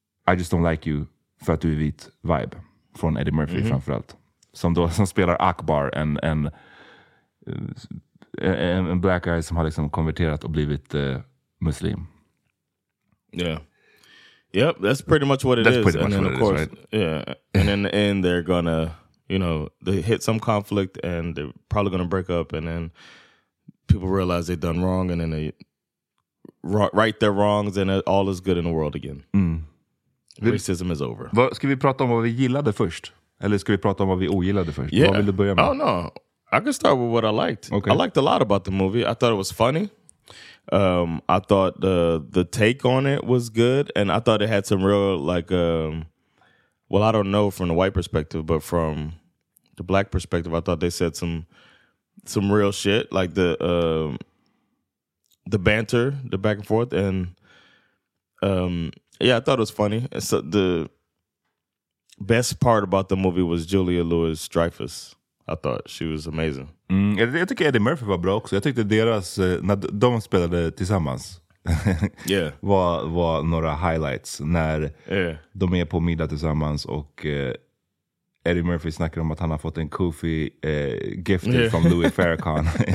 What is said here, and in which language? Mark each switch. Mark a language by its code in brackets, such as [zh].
[en] I just don't like you [sv] för att du är vit vibe. Från Eddie Murphy framförallt. Som spelar Akbar, en [en] black guy [sv] som har liksom konverterat och blivit muslim. [en] Yeah. Yep, that's pretty much what it that's is. That's pretty much what it course, is, right? Yeah. And in the end, they're gonna, you know, they hit some conflict and they're probably gonna break up. And then people realize they've done wrong and then they right their wrongs and all is good in the world again. Racism is over. [sv] Ska vi prata om vad vi gillade först? Eller ska vi prata om vad vi ogillade först? [en] Yeah. [sv] Vad vill du börja med? [en] Oh no. I can start with what I liked. Okay. I liked a lot about the movie. I thought it was funny. I thought the take on it was good. And I thought it had some real, like, well, I don't know from the white perspective, but from the black perspective, I thought they said some real shit. Like the banter, the back and forth. And yeah, I thought it was funny. So the best part about the movie was Julia Louis-Dreyfus. I thought she was amazing. [sv] Jag tycker Eddie Murphy var bra också. Jag tyckte deras, när de spelade tillsammans, [en] yeah. [sv] var några highlights. När [en] yeah. [sv] de är på middag tillsammans och Eddie Murphy snackar om att han har fått en kufi gift yeah. från Louis Farrakhan.